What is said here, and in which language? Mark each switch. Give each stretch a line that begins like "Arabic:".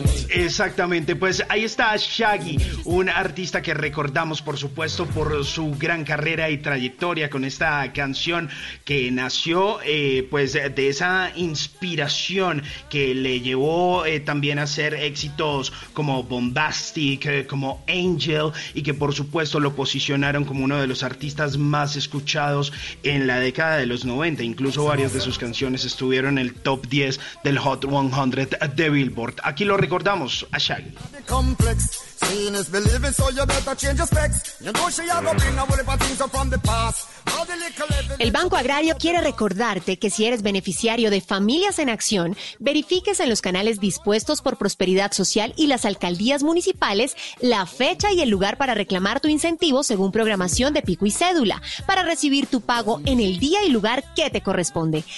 Spanish: Exactamente, pues ahí está Shaggy, un artista que recordamos por supuesto por su gran carrera y trayectoria con esta canción que nació pues de esa inspiración que le llevó también a ser éxitos como Bombastic, como Angel, y que por supuesto lo posicionaron como uno de los artistas más escuchados en la década de los 90. Incluso varias de sus canciones estuvieron en el top 10 del Hot 100 de Billboard. Aquí lo recordamos a Shaggy.
English: Complex, seeing is believing, so you better change your specs. You know she ain't gonna worry about things from the past.
Spanish: El Banco Agrario quiere recordarte que si eres beneficiario de Familias en Acción, verifiques en los canales dispuestos por Prosperidad Social y las alcaldías municipales la fecha y el lugar para reclamar tu incentivo según programación de pico y cédula, para recibir tu pago en el día y lugar que te corresponde.